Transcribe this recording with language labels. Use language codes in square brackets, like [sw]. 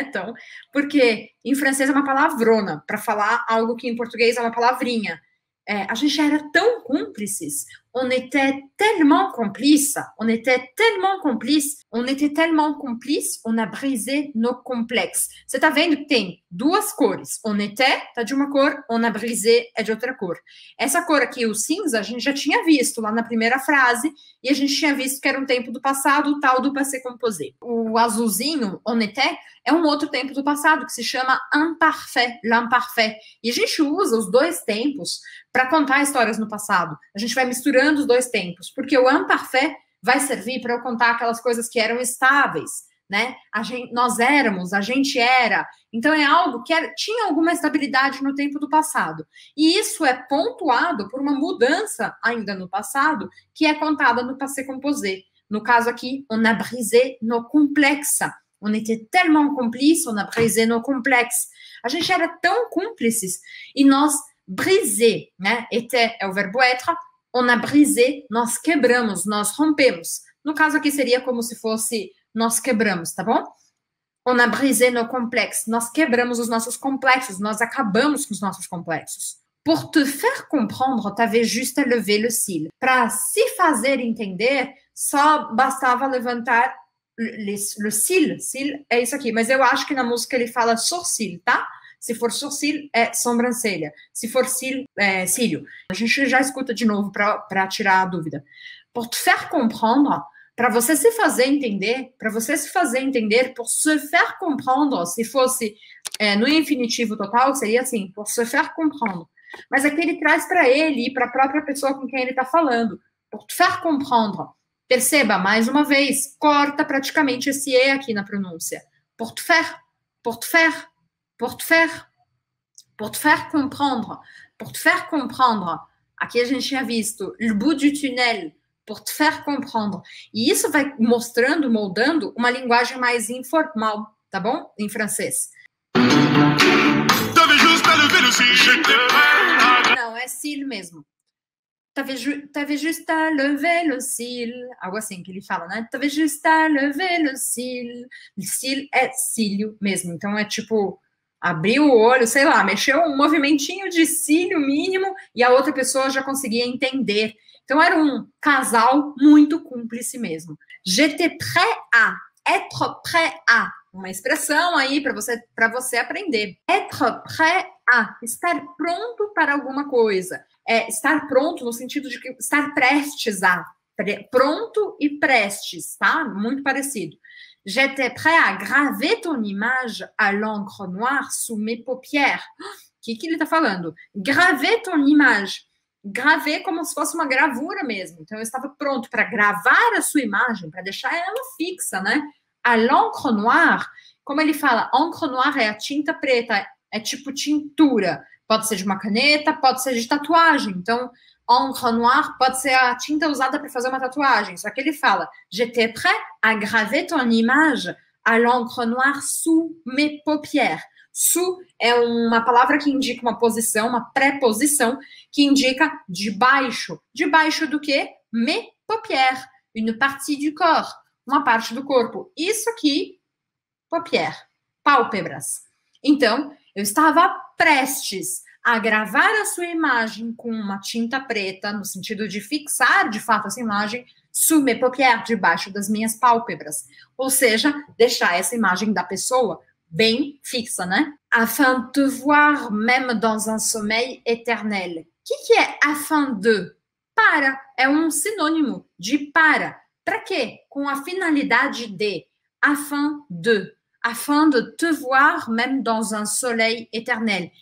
[pt] Então, porque em francês é uma palavrona para falar algo que em português é uma palavrinha. É, a gente era tão cúmplices. [fr] On était tellement complices. On était tellement complices. On était tellement complices. On a brisé nos complexes. [pt] Você tá vendo que tem duas cores. [fr] On était, [pt] tá de uma cor. [fr] On a brisé, [pt] é de outra cor. Essa cor aqui, o cinza, a gente já tinha visto lá na primeira frase. E a gente tinha visto que era um tempo do passado, o tal do passé composé. O azulzinho, [fr] on était, [pt] é um outro tempo do passado, que se chama imparfait, l'imparfait. E a gente usa os dois tempos para contar histórias no passado. A gente vai misturando os dois tempos, porque o imparfait vai servir para eu contar aquelas coisas que eram estáveis, né? A gente, nós éramos, a gente era. Então, é algo que era, tinha alguma estabilidade no tempo do passado. E isso é pontuado por uma mudança ainda no passado, que é contada no passé composé. No caso aqui, [fr] on a brisé nos complexes. On était tellement complices, on a brisé nos complexes. [pt] A gente era tão cúmplices e nós brisé, né? Était é o verbo être. [fr] On a brisé, [pt] nós quebramos, nós rompemos. No caso aqui seria como se fosse nós quebramos, tá bom? [fr] On a brisé nos complexes, [pt] nós quebramos os nossos complexos, nós acabamos com os nossos complexos. [fr] Pour te faire comprendre, t'avais juste à lever le cil. [pt] Para se fazer entender, só bastava levantar [fr] le cil. [pt] Cil é isso aqui, mas eu acho que na música ele fala sourcil, tá? Se for sourcil, é sobrancelha. Se for cil, é cílio. A gente já escuta de novo para tirar a dúvida. [fr] Pour te faire comprendre, [pt] para você se fazer entender, para você se fazer entender, [fr] pour se faire comprendre, [pt] se fosse no infinitivo total, seria assim, pour se faire comprendre. Mas aqui ele traz para ele e para a própria pessoa com quem ele está falando. [fr] Pour te faire comprendre. [pt] Perceba, mais uma vez, corta praticamente esse E aqui na pronúncia. [fr] Pour te faire, pour te faire. Pour te faire comprendre, pour te faire comprendre. [pt] Aqui a gente tinha visto [fr] le bout du tunnel, pour te faire comprendre. [pt] E isso vai mostrando, moldando uma linguagem mais informal, tá bom? Em francês. Não, é cil mesmo. [fr] T'avais juste à lever le cil. [pt] Algo assim que ele fala, né? [fr] T'avais juste à lever le cil. [pt] Cil é cílio mesmo, então é tipo abriu o olho, sei lá, mexeu um movimentinho de cílio mínimo e a outra pessoa já conseguia entender. Então era um casal muito cúmplice mesmo. [fr] J'étais prêt à, être prêt à. [pt] Uma expressão aí para você aprender. [fr] Être prêt à, [pt] estar pronto para alguma coisa. É estar pronto no sentido de que estar prestes a. Pronto e prestes, tá? Muito parecido. [fr] J'étais prêt à graver ton image à l'encre noire sous mes paupières. [pt] Que ele tá falando? [fr] Graver ton image. [pt] Graver como se fosse uma gravura mesmo. Então, eu estava pronto para gravar a sua imagem, para deixar ela fixa, né? [fr] À l'encre noire, [pt] como ele fala, encre noire é a tinta preta, é tipo tintura. Pode ser de uma caneta, pode ser de tatuagem. Então, encre noire pode ser a tinta usada para fazer uma tatuagem. Só que ele fala, [fr] j'étais prêt à graver ton image à l'encre noire sous mes paupières. [pt] Sous é uma palavra que indica uma posição, uma pré-posição, que indica debaixo. Debaixo do quê? [fr] Mes paupières. Une partie du corps. [pt] Uma parte do corpo. Isso aqui, paupières. Pálpebras. Então, eu estava prestes a gravar a sua imagem com uma tinta preta, no sentido de fixar, de fato, essa imagem, [fr] sous mes paupières, [pt] debaixo das minhas pálpebras. Ou seja, deixar essa imagem da pessoa bem fixa, né? [fr] Afin de te voir même dans un sommeil éternel. [pt] Que é afin de? Para. É um sinônimo de para. Para quê? Com a finalidade de. Afin de. [fr] Afin de te voir même dans un soleil éternel.